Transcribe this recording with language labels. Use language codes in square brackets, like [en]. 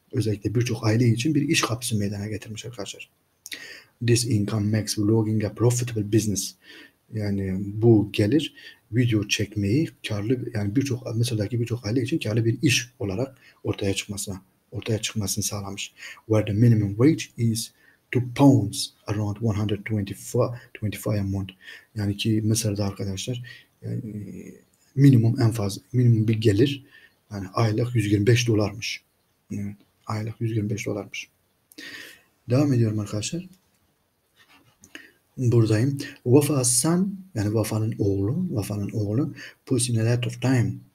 [tr] Özellikle birçok aile için bir iş kapısı meydana getirmiş arkadaşlar. [en] This income makes vlogging a profitable business. [tr] Yani bu gelir video çekmeyi karlı yani birçok Mısır'daki birçok aile için karlı bir iş olarak ortaya çıkmasını sağlamış. [en] Where the minimum wage is 2 pounds around 125 a month. [tr] Yani ki Mısır'da arkadaşlar yani minimum bir gelir yani aylık 125 dolarmış. Yani aylık 125 dolarmış. Devam ediyorum arkadaşlar. Buradayım. [en] Wafa San, [tr] yani Wafa'nın oğlu, [en] puts in a lot of time.